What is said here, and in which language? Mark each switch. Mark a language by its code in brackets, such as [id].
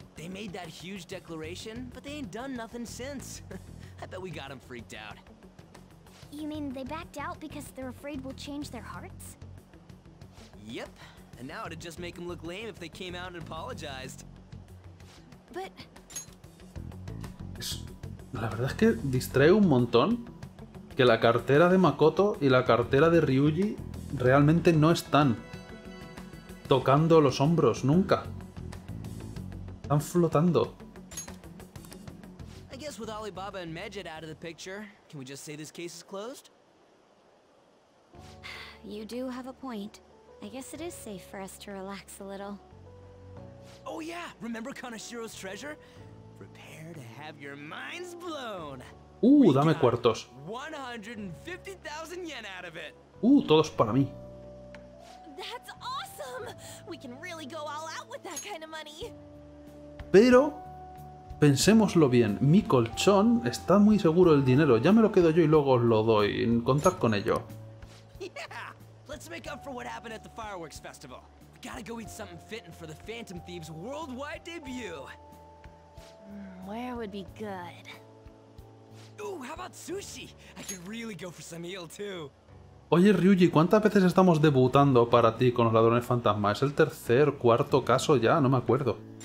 [en] They made that huge declaration, but they ain't done nothing since. I bet we got him freaked out. You mean they backed out because they're afraid we'll change their hearts? Yep. And now it'd just make them look lame if they came out and apologized. But... [es] La verdad es que distrae un montón que la cartera de Makoto y la cartera de Ryuji realmente no están tocando los hombros nunca. Están flotando. [en] I guess with Alibaba and Medjet out of the picture, can we just say this case is closed? You do have a point. I guess it is safe for us to relax a little. Oh yeah, remember Kaneshiro's treasure? Prepare to have your minds blown. [es] Dame cuartos. [en] 150,000 yen out of it. [es] Todos para mí. [en] That's awesome. We can really go all out with that kind of money. [es] Pero pensémoslo bien. Mi colchón está muy seguro el dinero. Ya me lo quedo yo y luego os lo doy. Contad con ello. [en] Yeah. Let's make up for what happened at the fireworks festival. We gotta go eat something fitting for the Phantom Thieves worldwide debut. Where would be good? Ooh, how about sushi? I could really go for some eel too. [es] Oye Ryuji, ¿cuántas veces estamos debutando para ti con los ladrones fantasma? Es el tercer, cuarto caso ya, no me acuerdo.